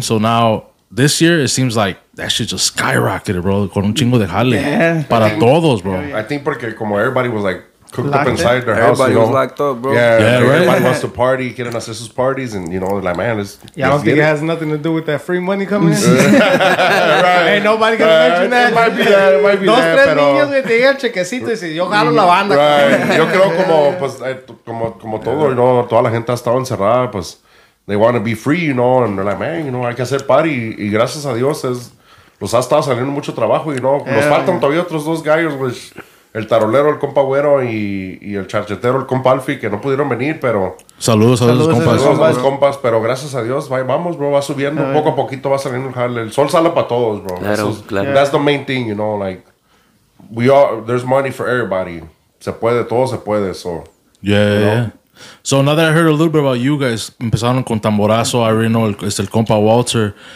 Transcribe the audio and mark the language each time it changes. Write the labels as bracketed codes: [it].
[en] So now, this year, it seems like, that shit just skyrocketed, bro. [es] Con un chingo de jale. [en] Yeah. [es] Para todos, bro. [en] I think [es] porque como [en] everybody was like cooked locked up inside their house. Everybody was locked up, bro. Yeah, right. Everybody wants to party, [es] quieren hacer sus parties, [en] and you know, they're like, man, it's... Yeah, I don't think it has nothing to do with that free money coming in. Right. Ain't nobody gonna mention that. It might be that. [es] Dos, tres niños que tenían chequecitos y yo jalo la banda. Right. Yo creo como, pues, como todo, you know, toda la gente ha estado encerrada, pues, [en] they want to be free, you know, [es] and they're like, man, you know, hay que hacer party. Y gracias a Dios es... Los ha estado saliendo mucho trabajo y no, nos faltan todavía otros dos gallos, which el tarolero, el compa Güero, y el charchetero, el compa Alfie, que no pudieron venir, pero... Saludos a los compas, pero gracias a Dios, vamos, bro, va subiendo, poco a poquito va saliendo el jale. El sol sale para todos, bro. Claro, eso es, claro. [en] That's the main thing, you know, like, we all, there's money for everybody. [es] Se puede, todo se puede, so... [en] So now that I heard a little bit about you guys, [es] empezaron con Tamborazo, [en] I already know [es] es el compa Walter.